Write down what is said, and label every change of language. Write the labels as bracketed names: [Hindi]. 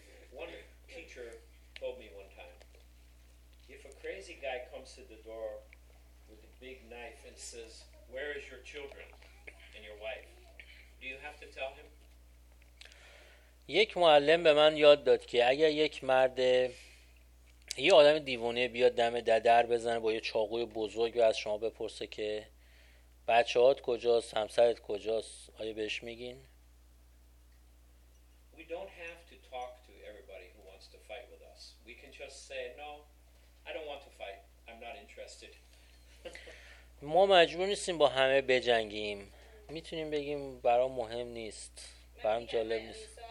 [English] One teacher told me one time, if a crazy guy comes to the door with a big knife and says, "Where is your children and your wife?" Do you have to tell him? [Persian] یک معلم به من یاد داد که اگر یک مرد یه آدم دیوانه بیاد دم در در بزنه با یه چاقوی بزرگ و از شما بپرسه که بچه هات کجاست، همسرت کجاست، آیا بهش میگین؟ [English] We don't have to talk to everybody who wants to fight with us. We can just say no, I don't want to fight. I'm not interested. [Persian] ما مجبور نیستیم با همه بجنگیم. میتونیم بگیم برام مهم نیست، برام جالب نیست.